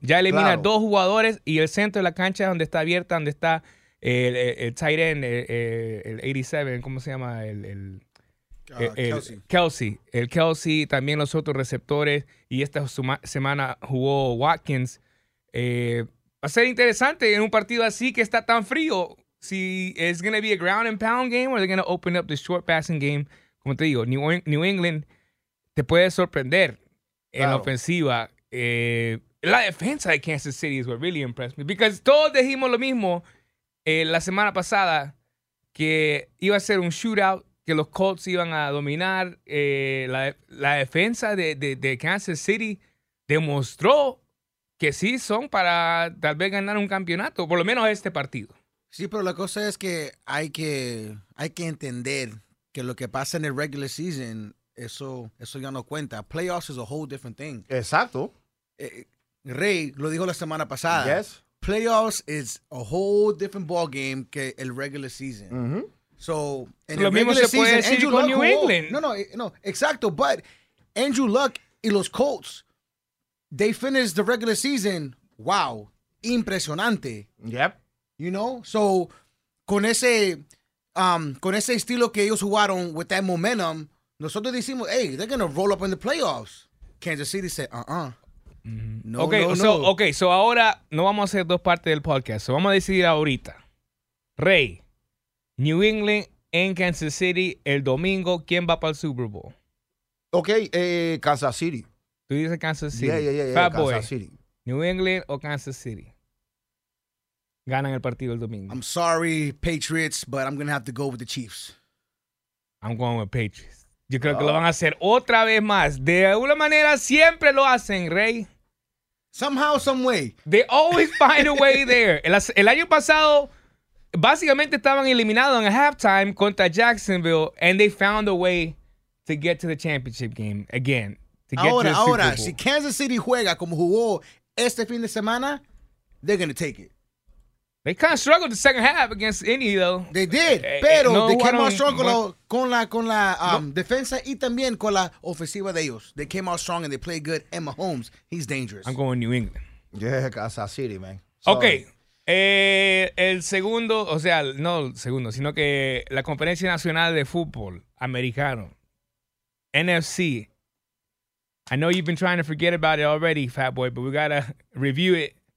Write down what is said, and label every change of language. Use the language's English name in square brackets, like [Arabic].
[Spanish] Ya elimina dos jugadores y el centro de la cancha donde está abierta, donde está el tight end, el 87, ¿cómo se llama? El Kelsey, también los otros receptores. Y esta semana jugó Watkins. Va a ser interesante en un partido así que está tan frío. [English] Si es going to be a ground and pound game or they're going to open up the short passing game. [Spanish] Como te digo, New England te puede sorprender en la ofensiva. [English] La defensa de Kansas City is what really impressed me. [Spanish] Because todos dijimos lo mismo la semana pasada, que iba a ser un shootout, que los Colts iban a dominar. La defensa de Kansas City demostró que sí son para tal vez ganar un campeonato, por lo menos este partido. Sí, pero la cosa es que hay que entender que lo que pasa en el regular season, eso ya no cuenta. [English] Playoffs is a whole different thing. [Spanish] Exacto. Rey lo dijo la semana pasada. [English] Yes. Playoffs is a whole different ball game que el regular season. Mm-hmm. So, [Spanish] en lo el mismo regular se puede season, decir con New England. No, exacto. [English] But Andrew Luck y los Colts, they finished the regular season. [Spanish] Wow. Impresionante. [English] Yep. You know? So, con ese estilo que ellos jugaron, with that momentum, nosotros decimos, hey, they're going to roll up in the playoffs. Kansas City said, uh-uh. Mm-hmm. [Spanish] Okay, so ahora no vamos a hacer dos partes del podcast. So vamos a decidir ahorita. Rey, New England en Kansas City el domingo, ¿quién va para el Super Bowl? [English] Okay, Kansas City. [Spanish] Tú dices Kansas City. [English] Yeah, Fat Kansas Boy. City. [Spanish] New England o Kansas City. Ganan el partido el domingo. [English] I'm sorry, Patriots, but I'm going to have to go with the Chiefs. I'm going with Patriots. [Spanish] Yo creo que lo van a hacer otra vez más. De alguna manera siempre lo hacen, Rey. [English] Somehow, some way. They always find a way there. El año pasado, básicamente estaban eliminados en halftime contra Jacksonville and they found a way to get to the championship game again. [Spanish] Ahora, si Kansas City juega como jugó este fin de semana, they're going to take it. [English] They kind of struggled the second half against Indy, though. [Spanish] They did, pero no, they came out strong con la defensa y también con la ofensiva de ellos. [English] They came out strong and they played good. And Mahomes, he's dangerous. I'm going New England. Yeah, Kansas City, man. Sorry. [Spanish] Okay, el segundo, o sea, no el segundo, sino que la Conferencia Nacional de Fútbol Americano, NFC. [English] I know you've been trying to forget about it already, Fat Boy, but we gotta review it.